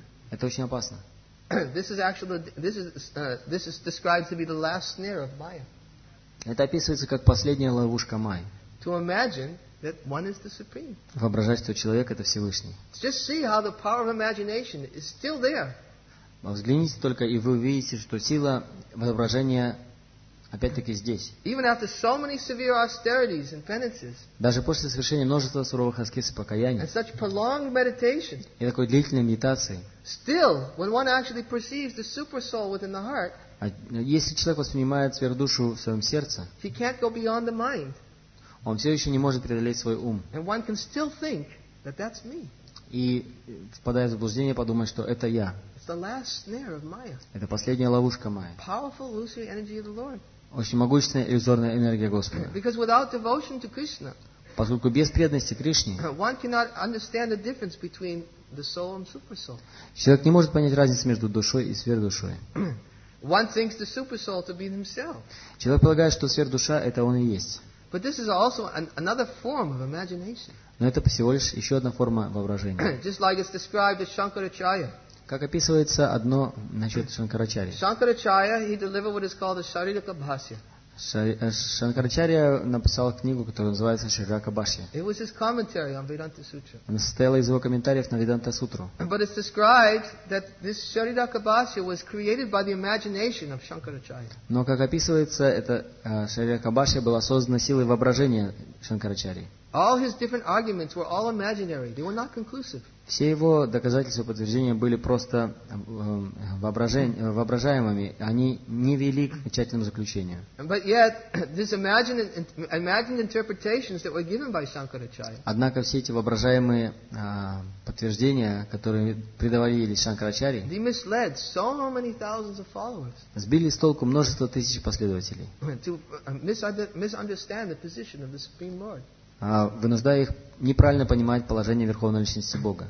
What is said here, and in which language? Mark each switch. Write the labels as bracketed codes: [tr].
[ru] Это очень опасно. Это описывается как последняя ловушка майя. [en] To imagine that one is the supreme. [ru] Воображать, что человек это Всевышний. [en] Just see how the power of imagination is still there. [ru] Взгляните только и вы увидите, что сила воображения опять-таки здесь. [en] Even after so many severe austerities and penances. [ru] Даже после совершения множества суровых аскез и покаяний. [en] And such prolonged meditation. [ru] И такой длительной медитации. [en] Still, when one actually perceives the super soul within the heart. [ru] Если человек воспринимает сверхдушу в своем сердце. [en] He can't go beyond the mind. [ru] Он все еще не может преодолеть свой ум. [en] And one can still think that that's me. [ru] И впадая в заблуждение, подумать, что это я. [en] It's the last snare of Maya. [ru] Это последняя ловушка Майя. [en] Powerful illusory energy of the Lord. [ru] Очень могущественная иллюзорная энергия Господа. [en] Because without devotion to Krishna, [ru] поскольку без преданности Кришне, [en] one cannot understand the difference between the soul and super soul. [ru] Человек не может понять разницу между душой и сверхдушой. [en] One thinks the super soul to be himself. [ru] Человек полагает, что сверхдуша – это он и есть. [en] But this is also another form of imagination. [ru] Но это всего лишь еще одна форма воображения. [en] Just like it's described as Shankaracharya. [ru] Как описывается одно насчет Шанкарачарьи. [en] Shankaracharya, he delivered what is called the Sharirika Bhashya. [ru] Шанкарачарья написал книгу, которая называется Шарирака Бхашья. [en] It was his commentary on Vedanta Sutra. [ru] Она состояла из его комментариев на Веданта Сутру. [en] But it's described that this Шарирака Бхашья was created by the imagination of Шанкарачарья. [ru] Но как описывается, эта Шарирака Бхашья была создана силой воображения Шанкарачарьи. [en] All his different arguments were all imaginary. They were not conclusive. [ru] Все его доказательства и подтверждения были просто воображаемыми. Они не вели к тщательному заключению. [en] But yet, these imagined interpretations that were given by Shankaracharya. [ru] Однако все эти воображаемые подтверждения, которые придавали Шанкарачарье, [en] they misled so many thousands of followers. [ru] Сбили с толку множество тысяч последователей. [en] To misunderstand the position of the Supreme Lord. [ru] Вынуждая их неправильно понимать положение Верховной Личности Бога.